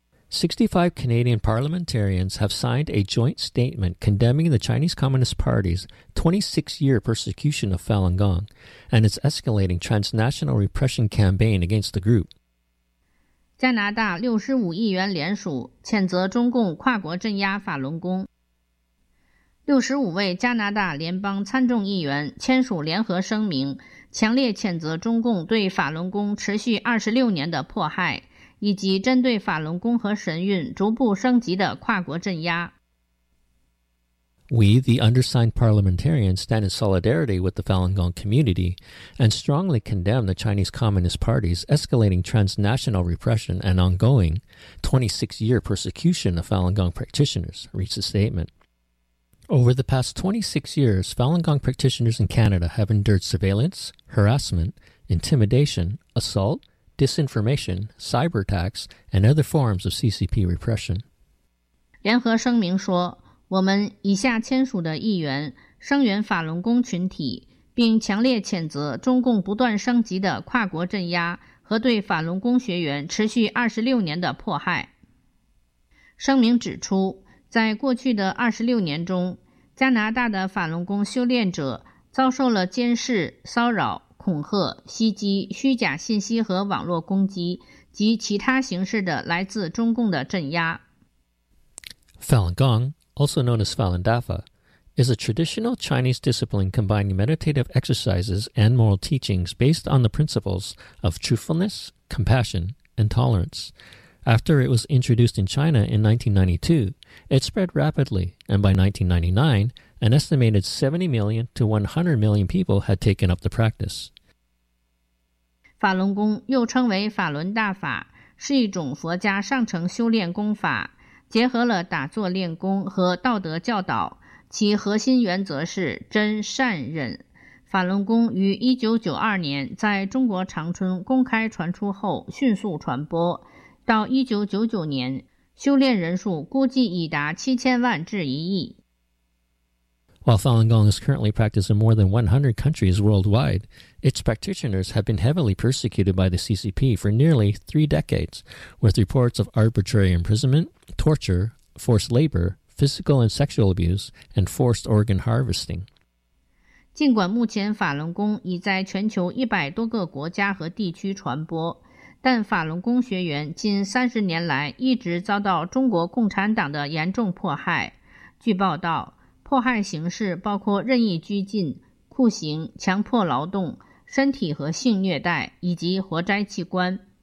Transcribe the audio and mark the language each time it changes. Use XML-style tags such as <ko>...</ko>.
<en>65 Canadian parliamentarians have signed a joint statement condemning the Chinese Communist Party's 26-year persecution of Falun Gong and its escalating transnational repression campaign against the group.</en> <zh>加拿大65议员联署谴责中共跨国镇压法轮功。 65位加拿大联邦参众议员签署联合声明，强烈谴责中共对法轮功持续26年的迫害，以及针对法轮功和神韵逐步升级的跨国镇压。</zh> <en>We, the undersigned parliamentarians, stand in solidarity with the Falun Gong community and strongly condemn the Chinese Communist Party's escalating transnational repression and ongoing 26-year persecution of Falun Gong practitioners, reads the statement. Over the past 26 years, Falun Gong practitioners in Canada have endured surveillance, harassment, intimidation, assault, disinformation, cyber attacks, and other forms of CCP repression.</en> <zh>联合声明说，我们以下签署的议员声援法轮功群体，并强烈谴责中共不断升级的跨国镇压和对法轮功学员持续26年的迫害。声明指出，在过去的26年中，加拿大的法轮功修炼者遭受了监视、骚扰、恐吓、袭击、虚假信息和网络攻击及其他形式的来自中共的镇压。</zh> <en>Falun Gong, also known as Falun Dafa, is a traditional Chinese discipline combining meditative exercises and moral teachings based on the principles of truthfulness, compassion, and tolerance. After it was introduced in China in 1992, it spread rapidly, and by 1999, an estimated 70 million to 100 million people had taken up the practice.</en> <zh>法轮功又称为法轮大法，是一种佛家上乘修炼功法，结合了打坐练功和道德教导，其核心原则是真、善、忍。法轮功于1992年在中国长春公开传出后迅速传播，到1999年，修炼人数估计已达7000万至一亿。</zh> <en>While Falun Gong is currently practiced in more than 100 countries worldwide, its practitioners have been heavily persecuted by the CCP for nearly 3 decades, with reports of arbitrary imprisonment, torture, forced labor, physical and sexual abuse, and forced organ harvesting.</en> <zh>尽管目前法轮功已在全球100多个国家和地区传播，但法轮功学员近30年来一直遭到中国共产党的严重迫害。据报道，迫害形式包括任意拘禁、酷刑、强迫劳动、身体和性虐待以及活摘器官。</zh>